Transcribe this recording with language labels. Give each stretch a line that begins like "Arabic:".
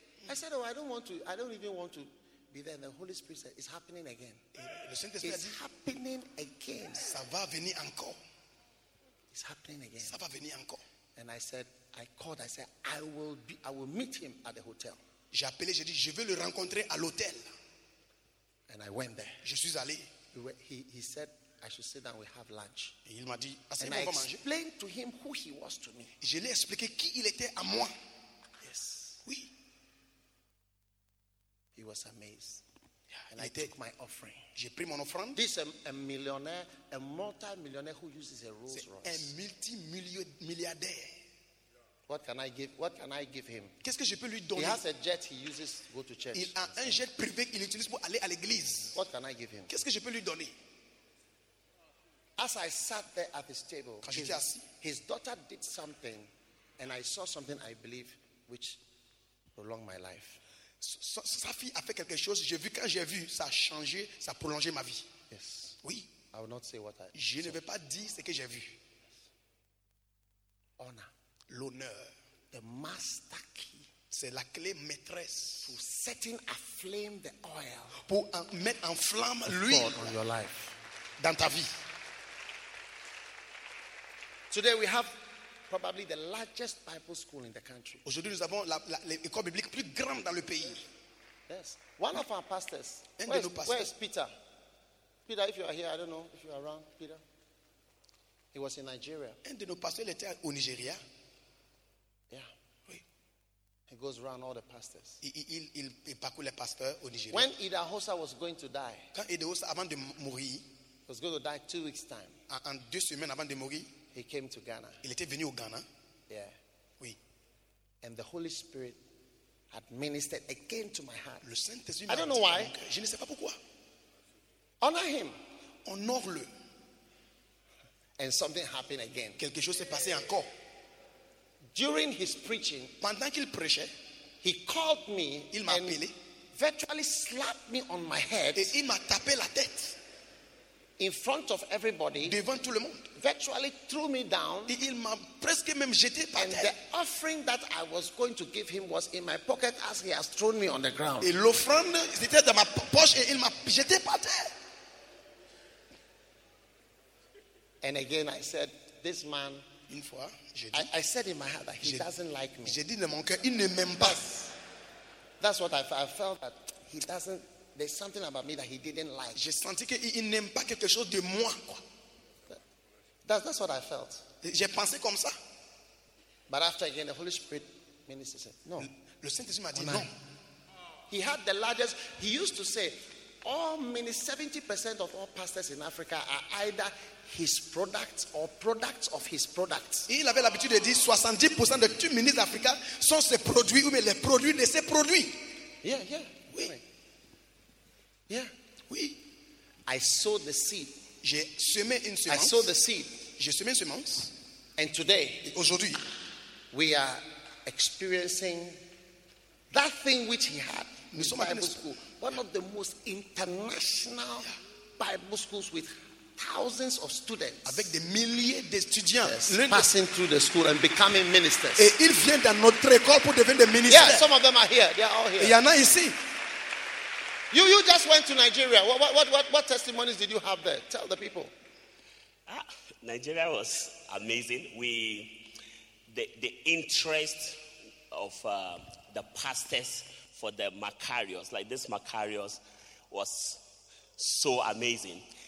English: I said, oh, I don't even want to be there. And the Holy Spirit said, it's happening again. It's happening again.
French: Ça va venir encore.
English: It's happening again.
French: Ça va venir encore.
English: And I said, I will meet him at the hotel.
French: J'ai appelé, j'ai dit, je vais le rencontrer à l'hôtel.
English: And I went there.
French: Je suis allé.
English: He said, I should sit down, we have lunch.
French: Et il m'a dit,
English: and I explained to him who he was to me.
French: Et je lui ai expliqué qui il était à moi.
English: Yes.
French: Oui.
English: He was amazed. Yeah, and I took my offering.
French: J'ai pris mon offrande.
English: This is a millionaire, a multi-millionaire who uses a Rolls
French: C'est
English: Royce.
French: Un multi-milliardaire.
English: What can I give him?
French: Qu'est-ce que je peux lui donner?
English: He has a jet he uses to go to church.
French: Il a un jet privé qu'il utilise pour aller à l'église.
English: What can I give him?
French: Qu'est-ce que je peux lui donner?
English: As I sat there at his table, his daughter did something and I saw something I believe which prolonged my life.
French: Sa fille a fait quelque chose, j'ai vu, quand j'ai vu, ça a changé, ça a prolongé ma vie.
English: Yes.
French: Oui.
English: I will not say what I
French: Je ne vais pas dire ce que j'ai vu.
English: Honor.
French: L'honneur.
English: The master key.
French: C'est la clé maîtresse.
English: To setting aflame the oil.
French: Pour mettre en flamme l'huile.
English: God on your life.
French: Dans ta vie.
English: Today we have probably the largest Bible school in the country.
French: Aujourd'hui nous avons l'école biblique plus grande dans le pays.
English: Yes. One of our pastors.
French: Un de nos pasteurs.
English: Where is Peter? Peter, if you are here, I don't know if you are around, Peter. He was in Nigeria.
French: Un de nos pasteurs était au Nigeria.
English: Yeah.
French: Oui.
English: He goes around all the pastors.
French: Il parcourt les pasteurs au Nigeria.
English: When Ida Hosa was going to die.
French: Quand Ida Hosa avant de mourir.
English: He was going to die 2 weeks time.
French: En 2 semaines avant de mourir.
English: He came to Ghana.
French: Il était venu au Ghana.
English: Yeah.
French: Oui.
English: And the Holy Spirit had ministered again to my heart.
French: Le Saint-Esprit m'a dit,
English: I don't know why.
French: Je ne sais pas pourquoi.
English: Honor him.
French: Honore-le.
English: And something happened again.
French: Quelque chose s'est passé encore.
English: During his preaching,
French: pendant qu'il prêchait,
English: he called me.
French: Il m'a appelé.
English: Virtually slapped me on my head.
French: Et il m'a tapé la tête.
English: In front of everybody.
French: Devant tout le monde.
English: Virtually threw me down.
French: Et il m'a presque même jeté par
English: and
French: terre.
English: The offering that I was going to give him was in my pocket as he has thrown me on the ground.
French: Et l'offrande était dans ma poche et il m'a jeté par terre.
English: And again I said, this man.
French: Une fois, j'ai dit,
English: I said in my heart that he doesn't like me.
French: J'ai dit dans mon cœur, il ne m'aime pas.
English: That's what I felt, that he doesn't there's something about me that he didn't like.
French: J'ai senti qu'il n'aime pas quelque chose de moi, quoi.
English: That's what I felt.
French: J'ai pensé comme ça.
English: But after again, the Holy Spirit minister said, no.
French: Le Saint-Esprit m'a dit non.
English: He had the largest, he used to say, all many 70% of all pastors in Africa are either his products or products of his products.
French: Il avait l'habitude de dire 70% de tous ministres d'Africa sont ses produits ou les produits de ses produits.
English: Yeah.
French: Oui.
English: Yeah.
French: Oui.
English: I sowed the seed.
French: J'ai semé une semence.
English: I sowed the seed.
French: J'ai semé une semence.
English: And today,
French: et aujourd'hui,
English: we are experiencing that thing which he had in Bible school, one of the most international Bible schools with thousands of students,
French: avec des milliers d'étudiants,
English: yes, passing through the school and becoming ministers.
French: Et ils viennent dans notre école pour devenir des ministres.
English: Yeah, some of them are here. They are all here.
French: Il y en a ici.
English: You just went to Nigeria. What testimonies did you have there? Tell the people. Nigeria was amazing. The interest of the pastors for the Macarius, like this Macarius, was so amazing.